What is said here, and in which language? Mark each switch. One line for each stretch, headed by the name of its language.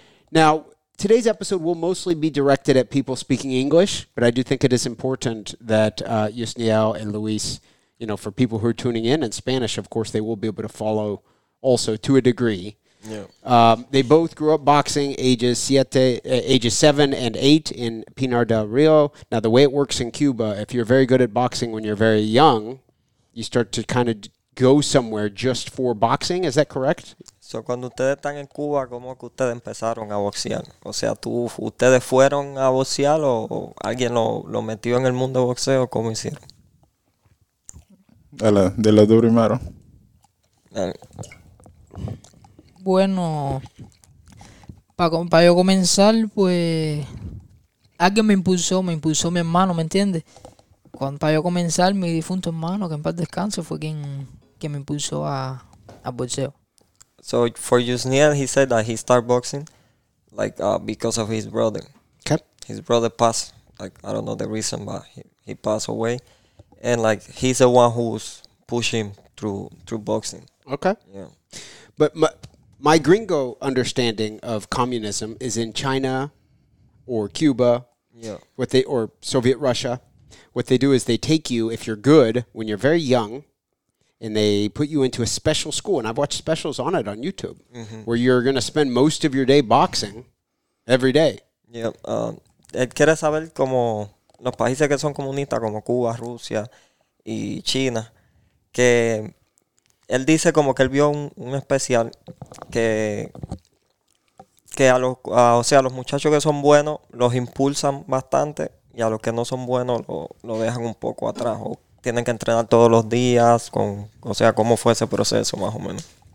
English: Now, today's episode will mostly be directed at people speaking English, but I do think it is important that Yusniel and Luis, you know, for people who are tuning in Spanish, of course, they will be able to follow also to a degree. Yeah. They both grew up boxing ages 7 and 8 in Pinar del Rio. Now, the way it works in Cuba, if you're very good at boxing when you're very young, you start to kind of go somewhere just for boxing. Is that correct?
Spanish: So, cuando ustedes están en Cuba, ¿cómo que ustedes empezaron a boxear? O sea, ¿ustedes fueron a boxear o alguien lo metió en el mundo boxeo? ¿Cómo hicieron? De los dos primeros. Bueno, para yo comenzar, pues, alguien me impulsó mi hermano, ¿me entiendes? Cuando para yo comenzar, mi difunto hermano, que en paz descanse, fue quien me impulsó a boxeo.
English: So, for Yusniel, he said that he started boxing, like, because of his brother. Okay. His brother passed, like, I don't know the reason, but he passed away. And, like, he's the one who's pushing through boxing. Okay. Yeah. But my gringo understanding of communism is in China or Cuba, yeah, or Soviet Russia, what they do is they take you, if you're good, when you're very young, and they put you into a special school. And I've watched specials on it on YouTube, mm-hmm, where you're going to spend most of your day boxing every day. Yeah.
Spanish: Él quiere saber cómo los países que son comunistas como Cuba, Rusia y China, que él dice como que él vio un especial que a los o sea, a los muchachos que son buenos los impulsan bastante y a los que no son buenos lo dejan un poco atrás o tienen que entrenar todos los días con o sea, cómo fue ese proceso más o menos.